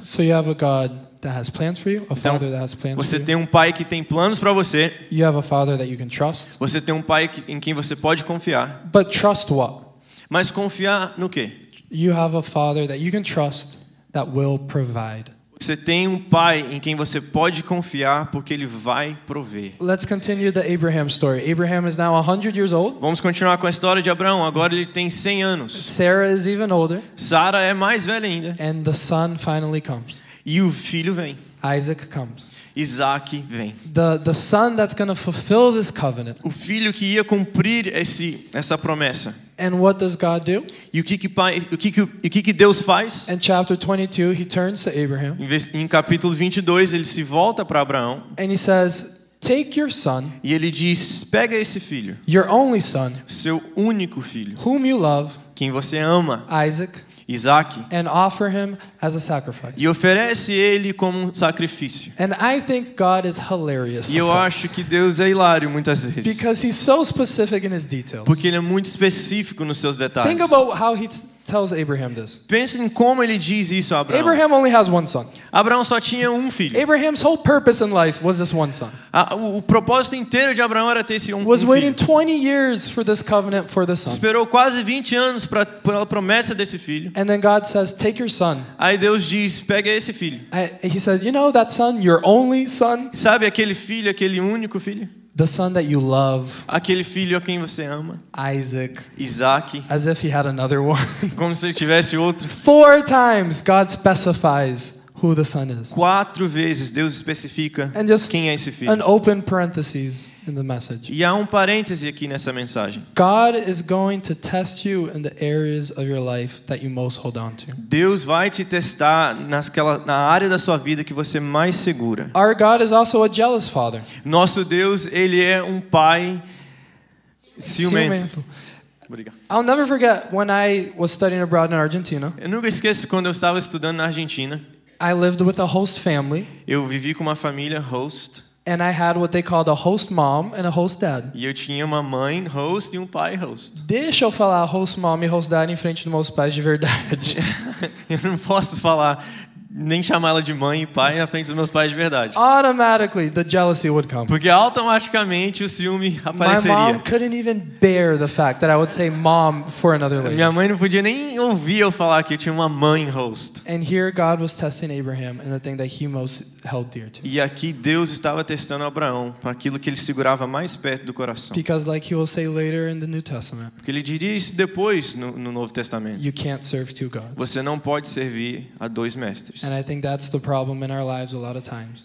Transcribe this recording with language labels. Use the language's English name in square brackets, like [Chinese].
[English] So you have a God that has plans for you, a father that has plans. [Portuguese] Você tem um pai que tem planos para você. [English] You have a father that you can trust. [Portuguese] Você tem um pai em quem você pode confiar. [English] But trust what? [Portuguese] Mas confiar no quê? [English] You have a father that you can trust that will provide. [Portuguese] Você tem um pai em quem você pode confiar porque ele vai prover. [English] Let's continue the Abraham story. Abraham is now 100 years old. [Portuguese] Vamos continuar com a história de Abraão. Agora ele tem 100 anos. [English] Sarah is even older. [Portuguese] Sarah é mais velha ainda. [English] And the son finally comes. [Portuguese] E o filho vem. [English] Isaac comes. [Portuguese] Isaac vem. [English] The son that's going to fulfill this covenant. [Portuguese] O filho que ia cumprir essa promessa. [English] And what does God do? [Portuguese] E o que Deus faz? [English] In chapter 22, he turns to Abraham. [Portuguese] Em capítulo 22, ele se volta para Abraão. [English] And he says, "Take your son." [Portuguese] E ele diz, pega esse filho. [English] Your only son. [Portuguese] Seu único filho. [English] Whom you love. [Portuguese] Quem você ama. [English] Isaac. [Portuguese] Isaac. [English] And offer him as a sacrifice. [Portuguese] E oferece ele como um sacrifício. [English] And I think God is hilarious. [Portuguese] E eu acho que Deus é hilário muitas vezes. [English] Because he's so specific in his details. [Portuguese] Porque ele é muito específico nos seus detalhes. [English] Think about how he tells Abraham this. [Portuguese] Pense em como ele diz isso a Abraão. [English] Abraham only has one son. [Portuguese] Abraão só tinha um filho. [English] Abraham's whole purpose in life was this one son. [Portuguese] O propósito inteiro de Abraão era ter esse um filho. [English] Was waiting 20 years for this covenant for the son. [Portuguese] Esperou quase 20 anos para pela promessa desse filho. [English] And then God says, "Take your son." [Portuguese] Aí Deus diz, pega esse filho. [English] He says, "You know that son, your only son?" [Portuguese] Sabe aquele filho, aquele único filho? [English] The son that you love. [Portuguese] Aquele filho a quem você ama. [English] Isaac. [Portuguese] Isaac. [English] As if he had another one. [Portuguese] Como se ele tivesse outro. [English] Four times God specifies who the son is. [Portuguese] Quatro vezes Deus especifica quem é esse filho. [English] An open parenthesis in the message. [Portuguese] E há um parêntese aqui nessa mensagem. [English] God is going to test you in the areas of your life that you most hold on to. [Portuguese] Deus vai te testar na área da sua vida que você mais segura. [English] Our God is also a jealous father. [Portuguese] Nosso Deus, ele é um pai ciumento. [English] I'll never forget when I was studying abroad in Argentina. [Portuguese] Eu nunca esqueço quando eu estava estudando na Argentina. [English] I lived with a host family. [Portuguese] Eu vivi com uma família host. [English] And I had what they called a host mom and a host dad. [Portuguese] E eu tinha uma mãe host e um pai host. Deixa eu falar host mom e host dad em frente dos meus pais de verdade. Eu não posso falar nem chamar ela de mãe e pai na frente dos meus pais de verdade. [English] Automatically, the jealousy would come. [Portuguese] Porque automaticamente o ciúme apareceria. [English] My mom couldn't even bear the fact that I would say mom for another lady. [Portuguese] Minha mãe não podia nem ouvir eu falar que eu tinha uma mãe host. [English] And here God was testing Abraham and the thing that he most held dear to. [Portuguese] E aqui Deus estava testando Abraão para aquilo que ele segurava mais perto do coração. [English] Because like he will say later in the New Testament. [Portuguese] Porque ele diria isso depois no Novo Testamento. [English] You can't serve two gods. [Portuguese] Você não pode servir a dois mestres. [English] And I think that's the problem in our lives a lot of times.